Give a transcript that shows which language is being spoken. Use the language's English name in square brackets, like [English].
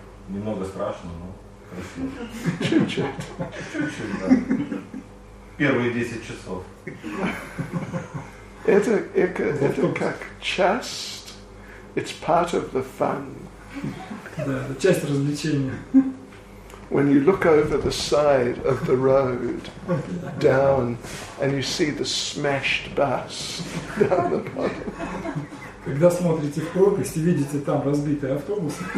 [Russian] Немного страшно, но красиво. Чуть-чуть. Чуть-чуть, да. Первые 10 часов. Это как часть. [English] It's part of the fun. [Russian] Да, это часть развлечения. [English] When you look over the side of the road down and you see the smashed bus down the bottom. [Russian] Когда смотрите в пропасть и видите там разбитый автобус.